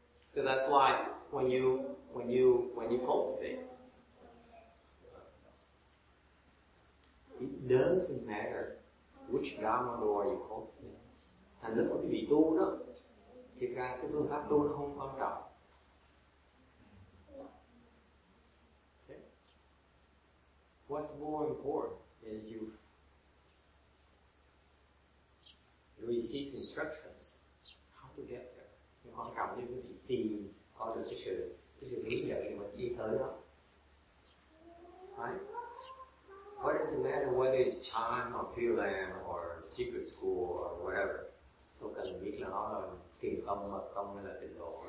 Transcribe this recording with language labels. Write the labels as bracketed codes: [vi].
[en] So that's why when you cultivate, it doesn't matter which dharma door you cultivate. [vi] Thành ra quý vị tu đó, thực ra cái phương pháp tu nó không quan trọng. [en] Okay. What's more important is you receive instructions how to get there. [vi] Nhưng quan trọng như quý vị tìm có được cái sự hướng dẫn để mà đi tới đó. [en] Right? What does it matter whether it's Chan or Pilan or Secret School or whatever? [vi] Tôi cần biết là nó là tiền công, mật công hay là tiền đồ.